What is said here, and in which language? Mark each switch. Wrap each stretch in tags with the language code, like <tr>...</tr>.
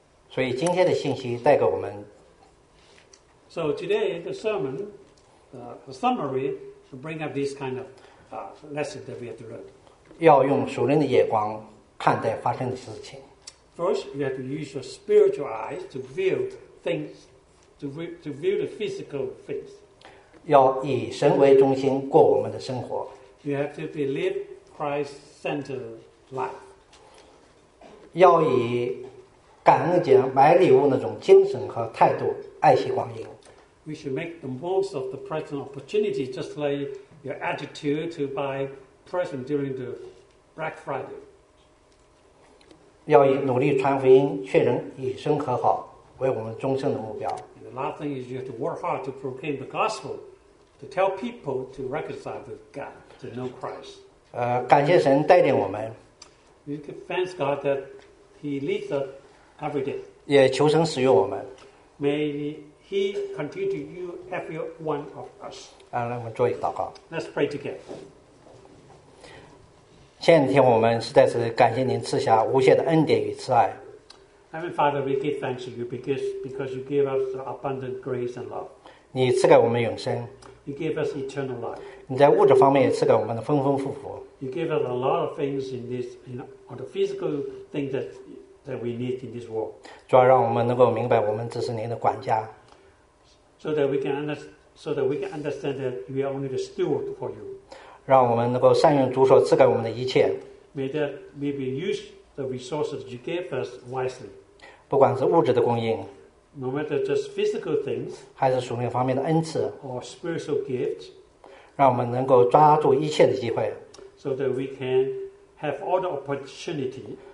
<zh>所以今天的信息带给我们。</zh> <en>So today the sermon, the summary, to bring up this kind of lesson that we have to learn.</en> <zh>要用属灵的眼光看待发生的事情。</zh> <en>First, you have to use your spiritual eyes to view things. To view the physical things.</en> <zh>要以神为中心过我们的生活。</zh> <en>You have to believe Christ-centered life.</en> <zh>要以感恩节买礼物那种精神和态度爱惜光阴。</zh> <en>We should make the most of the present opportunity, just like your attitude to buy present during the Black Friday.</en> <zh>要以努力传福音、劝人与神和好为我们终生的目标。</zh> <en>The last thing is you have to work hard to proclaim the gospel, to tell people to reconcile with God, to know Christ.</en> <zh>感谢神带领我们。</zh> <en>You can thank God that He leads us every day.</en> <zh>也求神使用我们。</zh> <en>May He continue to use every one of us.</en> <zh>来，我们做一个祷告。</zh> <en>Let's pray together.</en> <zh>现天我们实在是感谢您赐下无限的恩典与慈爱。</zh> <en>Heavenly Father, we give thanks to you because you give us abundant grace and love.</en> <zh>你赐给我们永生。</zh> <en>You give us eternal life.</en> <zh>你在物质方面也赐给我们的丰丰富富。</zh> <en>You give us a lot of things in this, on the physical things that we need in this world.</en> <zh>主要让我们能够明白，我们只是您的管家。</zh> <en>So that we can understand that we are only the steward for you.</en> <zh>让我们能够善用主所赐给我们的一切。</zh> <en>May that may be used the resources you gave us wisely.</en> <zh>不管是物质的供应</zh> <en>，No matter just physical things，</en> <zh>还是属灵方面的恩赐</zh> <en>，or spiritual gifts，</en> <zh>让我们能够抓住一切的机会</zh> <en>，so that we can have all the opportunity，</en>